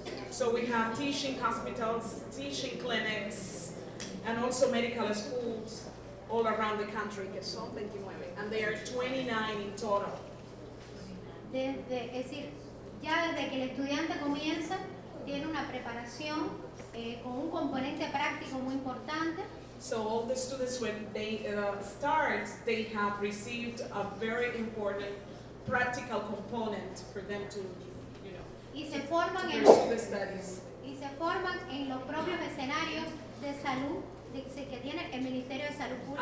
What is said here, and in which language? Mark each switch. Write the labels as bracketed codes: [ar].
[en] So we have teaching hospitals, teaching clinics, and also medical schools all around the country, [es] que son 29, [en] and they are 29 in total. [es] Desde, es decir, ya desde que el estudiante comienza, tiene una preparación con un componente práctico muy importante. [en] So all the students, when they start, they have received a very important practical component for them to, pursue the studies. [es] Y se forman en los propios escenarios de salud, dice que tiene el Ministerio de Salud Pública.